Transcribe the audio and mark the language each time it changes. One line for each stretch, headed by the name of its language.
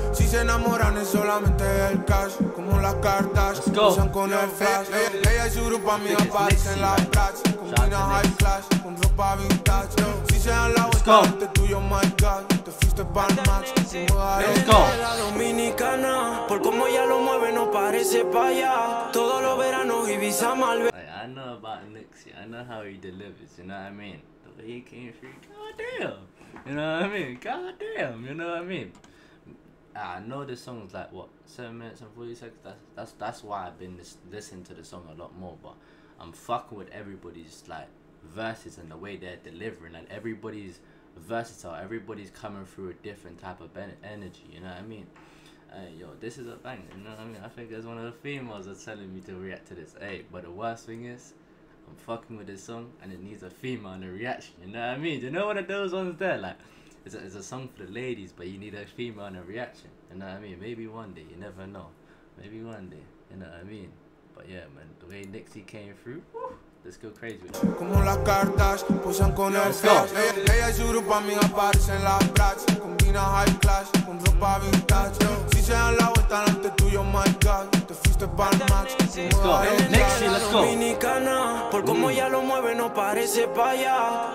Spanish: Si se enamoran es solamente el cash. Como las cartas usan con el flash. Ella y su grupo amiga parecen las Brats. Combina
English: high class
Spanish: con ropa vintage. Si se dan la vuelta ante tuyo,
English: my God.
Spanish: Te fuiste pa'l match.
English: Let's go.
Spanish: La dominicana, por como ella lo mueve no parece pa' allá. Todos los veranos Ibiza Malve.
English: I know about Nickzzy, I know how he delivers, you know what I mean? He came through, god damn, you know what I mean, god damn, you know what I mean. I know this song is like, what, 7 minutes and 40 seconds, that's why I've been listening to the song a lot more, but I'm fucking with everybody's, like, verses and the way they're delivering, and everybody's versatile, everybody's coming through a different type of energy, you know what I mean. Yo, this is a bang, you know what I mean. I think there's one of the females that's telling me to react to this, hey, but the worst thing is, I'm fucking with this song and it needs a female in a reaction, you know what I mean? Do you know one of those ones there? Like, it's a song for the ladies, but you need a female in a reaction, you know what I mean? Maybe one day, you never know. Maybe one day, you know what I mean? But yeah, man, the way Nickzzy came through, woo! Let's go crazy with it.
Spanish: Como las cartas, posan con el flash. Ella y su grupo amiga parecen las Brats. Combina
English: high class
Spanish: con ropa vintage. Si se dan la vuelta delante tuyo,
English: my God.
Spanish: Te fuiste pa'l match.
English: Let's go.
Spanish: Dominicana, por como ella lo mueve no parece pa' allá.